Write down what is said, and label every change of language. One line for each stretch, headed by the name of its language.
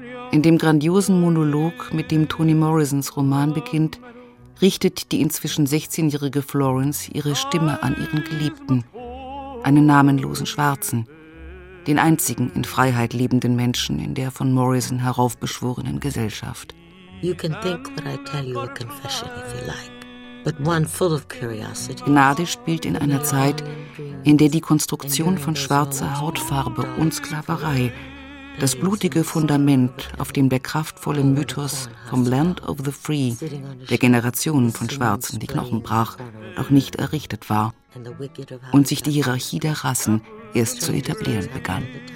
German: In dem grandiosen Monolog, mit dem Toni Morrisons Roman beginnt, richtet die inzwischen 16-jährige Florence ihre Stimme an ihren Geliebten, einen namenlosen Schwarzen, den einzigen in Freiheit lebenden Menschen in der von Morrison heraufbeschworenen Gesellschaft.
English: You can think what I tell you a confession if you like, but one full of curiosity.
German: Gnade spielt in einer Zeit, in der die Konstruktion von schwarzer Hautfarbe und Sklaverei das blutige Fundament, auf dem der kraftvolle Mythos vom
English: Land of the Free,
German: der Generationen von Schwarzen die Knochen brach, noch nicht errichtet war und sich die Hierarchie der Rassen erst zu etablieren begann.